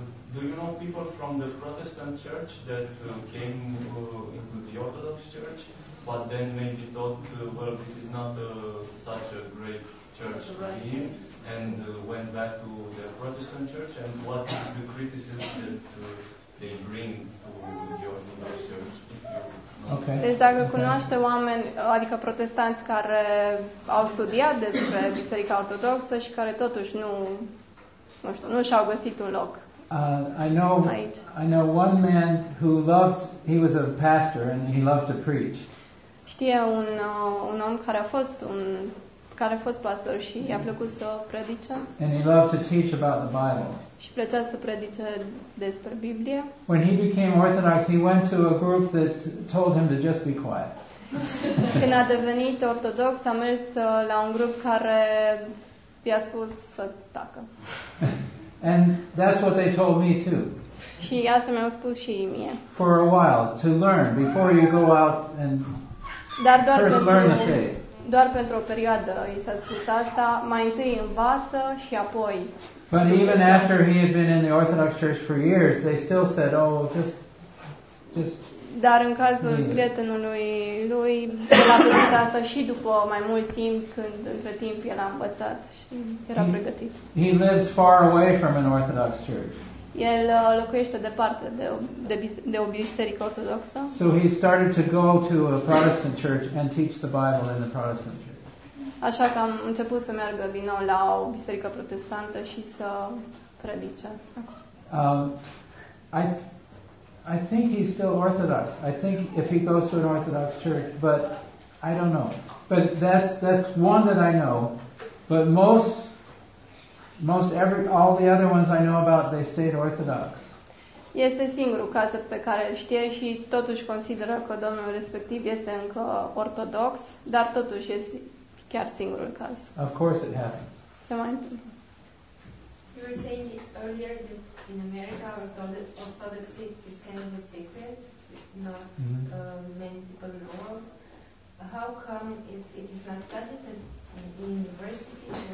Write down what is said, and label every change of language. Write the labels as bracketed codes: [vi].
[en] Do you know people from the Protestant Church that came into the Orthodox Church, but then maybe thought, well, this is not such a great church to be in? And went back to the Protestant church, and what is the criticism that they bring to the Orthodox church? Okay. [ro] Deci dacă cunoaște oameni, adică protestanți care au studiat despre Biserica Ortodoxă și care totuși nu și-au găsit un loc. [en] I know one man who loved, he was a pastor and he loved to preach. [ro] Știe un om care a fost un care a fost pastor și i-a plăcut să predice. [en] And he loved to teach about the Bible. [ro] Și plăcea să predice despre Biblie. [en] When he became Orthodox, he went to a group that told him to just be quiet. [ro] Când a devenit ortodox, a mers la un grup care i-a spus să tacă. [en] And that's what they told me too. [ro] Și asta mi-au spus și mie. [en] For a while, to learn before you go out and first learn the faith. [ro] Doar pentru o perioadă i s-a spus asta, mai întâi învață și apoi. [en] But even after he had been in the Orthodox Church for years, they still said, oh, just. [ro] Dar în cazul prietenului lui, l-a plăcut asta și după mai mult timp, când între timp el a învățat și era pregătit. [en] He lives far away from an Orthodox Church. [ro] El locuiește departe de o biserică ortodoxă. [en] So he started to go to a Protestant church and teach the Bible in the Protestant church. [ro] Așa că am început să meargă din nou la o biserică protestantă și să predice. [en] I think he's still Orthodox. I think if he goes to an Orthodox church, but I don't know. But that's one that I know. But all the other ones I know about, they stayed Orthodox. [ro] Este singurul caz pe care îl știe și totuși consideră că domnul respectiv este încă ortodox, dar totuși este chiar singurul caz. [en] Of course it happens. [ro] Se mai întâmplă. [en] You were saying earlier that in America orthodoxy is kind of a secret, not many people know of. How come if it is not studied in university